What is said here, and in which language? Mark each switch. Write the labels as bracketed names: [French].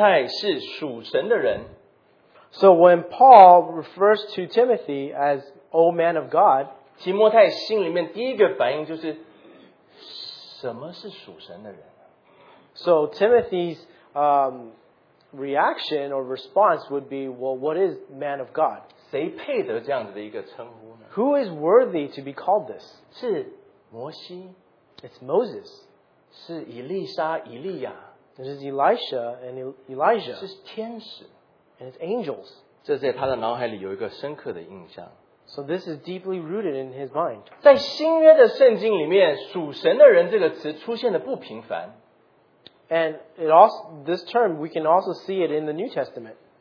[Chinese] 所以当保罗说你提摩太是属神的人， [English] So when Paul refers to Timothy as old man of God, [Chinese] 提摩太心里面第一个反应就是什么是属神的人？ [English] So Timothy's reaction or response would be, well, what is man of God? [Chinese] 谁配得这样子的一个称呼呢？ [English] Who is worthy to be called this? [Chinese] 是摩西。 [English] It's Moses. [Chinese] 是以利沙、以利亚。 [English] This is Elisha and Elijah. [Chinese] 是天使。 [English] And it's angels. [Chinese] 这在他的脑海里有一个深刻的印象。 [English] So this is deeply rooted in his mind. [Chinese] 在新约的圣经里面，属神的人这个词出现的不频繁。 [English] And it also, this term, we can also see it in the New Testament.